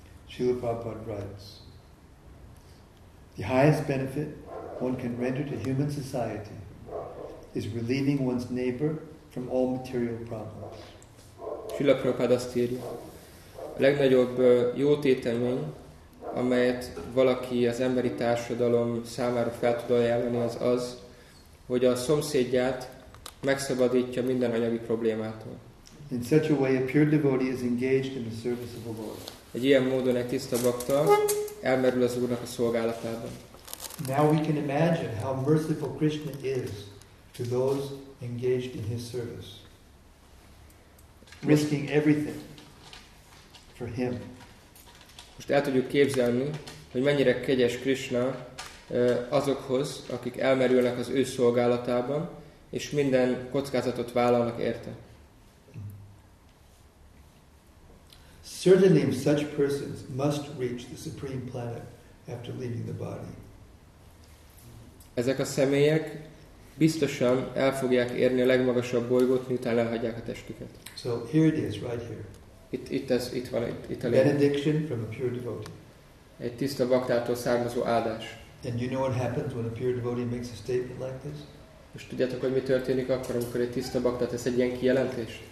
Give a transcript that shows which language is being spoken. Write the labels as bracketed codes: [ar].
[en] Srila Prabhupada writes, the highest benefit one can render to human society is relieving one's neighbor from all material problems. [hu] Srila Prabhupada azt írja, a legnagyobb jó tétemény, amelyet valaki az emberi társadalom számára fel tud ajánlani, az az, hogy a szomszédját megszabadítja minden anyagi problémától. [en] In such a way a pure devotee is engaged in the service of the Lord. [hu] Egy ilyen módon egy tiszta bakta elmerül az Úrnak a szolgálatában. [en] Now we can imagine how merciful Krishna is to those engaged in his service, risking everything for him. [hu] Most el tudjuk képzelni, hogy mennyire kegyes Krishna azokhoz, akik elmerülnek az ő szolgálatában, és minden kockázatot vállalnak érte. [en] Certainly such persons must reach the supreme planet after leaving the body. [hu] Ezek a személyek biztosan el fogják érni a legmagasabb bolygót, miután elhagyják a testüket. [en] So here it is, right here. [hu] Itt a [en] benediction from a pure devotee. [hu] Egy tiszta baktától származó áldás. [en] And you know what happens when a pure devotee makes a statement like this? [hu] Most tudjátok, hogy mi történik akkor, amikor egy tiszta bakta tesz egy ilyen kijelentést?